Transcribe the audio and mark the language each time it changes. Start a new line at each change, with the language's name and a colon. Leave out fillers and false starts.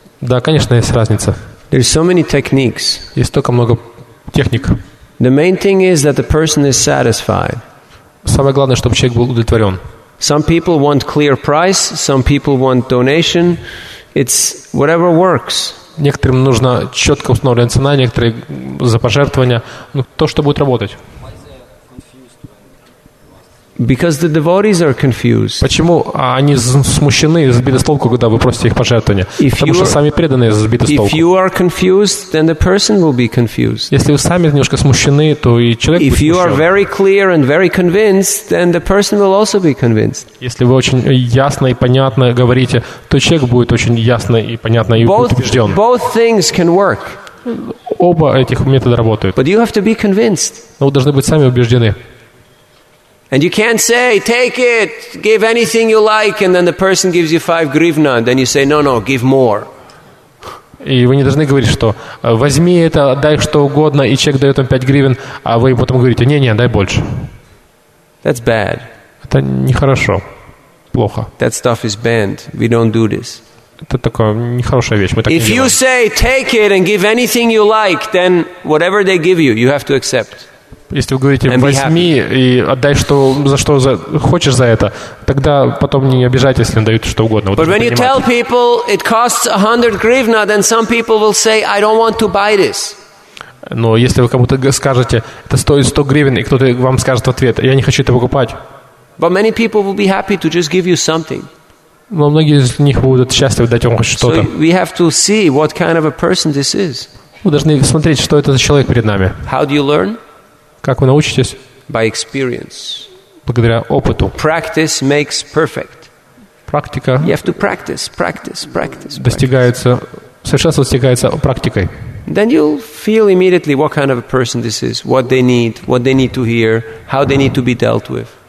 Russian: Да, конечно, есть разница.
English: There's so many techniques.
Russian: Есть столько много техник.
English: The main thing is that the person is satisfied.
Russian: Самое главное, чтобы человек был удовлетворен.
English: Some people want clear price, some people want donation. It's whatever works.
Russian: Некоторым нужна четко установленная цена, некоторые за пожертвования. Ну, то, что будет работать.
English: Because the devotees are confused.
Russian: Почему они смущены, сбиты с толку, когда вы просите их пожертвования? Потому что сами преданные сбиты с толку.
English: If you are confused, then the person will be confused.
Russian: Если вы сами немножко смущены, то и человек будет смущен.
English: If you are very clear and very convinced, then the person will also be convinced.
Russian: Если вы очень ясно и понятно говорите, то человек будет очень ясно и понятно и убежден.
English: Both things can work.
Russian: Оба этих метода работают.
English: But you have to be convinced.
Russian: Но вы должны быть сами убеждены.
English: And you can't say, take it, give anything you like, and then the person gives you 5 hryvnia, and then you say, no, give more.
Russian: И вы не должны говорить, что возьми это, дай что угодно, и человек дает вам 5 hryvnia, а вы потом говорите, не, дай больше.
English: That's bad.
Russian: Это нехорошо, плохо.
English: That stuff is banned. We don't do this.
Russian: Это такая нехорошая вещь, мы так не делаем.
English: If you say, take it and give anything you like, then whatever they give you, you have to accept.
Russian: Если вы говорите, возьми и отдай, что, за что за, хочешь за это, тогда потом не обижайтесь, если дают что угодно.
English: But when you tell people it costs 100 hryvnia, then some people will say, I don't want to buy this.
Russian: Но если вы кому-то скажете, это стоит 100 hryvnia, и кто-то вам скажет в ответ, я не хочу это покупать.
English: But many people will be happy to just give you something.
Russian: Но многие из них будут счастливы дать вам хоть что-то.
English: So we have to see what kind of a person this is.
Russian: Мы должны смотреть, что это за человек перед нами.
English: How do you learn?
Russian: Как вы научитесь?
English: By experience.
Russian: Благодаря опыту.
English: Practice makes perfect.
Russian: Практика. You have to practice. Достигается, совершенство достигается практикой.
English: Then you'll feel immediately what kind of a person this is, what they need to hear, how they need to be dealt with.